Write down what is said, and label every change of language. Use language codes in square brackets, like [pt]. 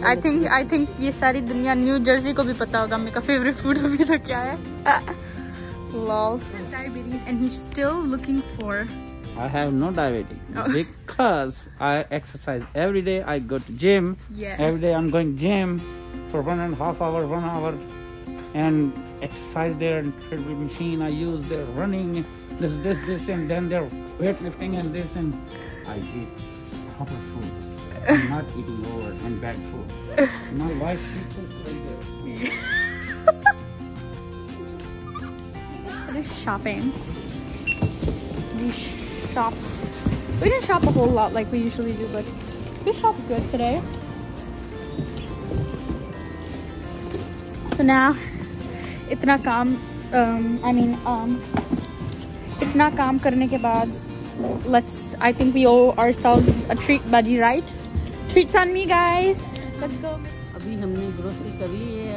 [en] I think [hi] ये सारी दुनिया न्यू जर्सी को भी पता होगा अम्मी का फेवरेट फूड अभी तक क्या है. [en] Lol diabetes and he still looking for. I have no diabetes because I exercise every day. I go to gym every day. I am going gym for 1.5 hour 1 hour and exercise there and every machine I use they're running this and then they're weightlifting and this and I eat proper food. I'm not eating over and bad food. My wife she cooks like this. We shop. We didn't shop a whole lot like we usually do, but we shop good today. So now [hi] इतना काम करने के बाद [en] Let's I think we owe ourselves a treat buddy right. Treats on me guys. Let's go. [hi] अभी हमने grocery करी है.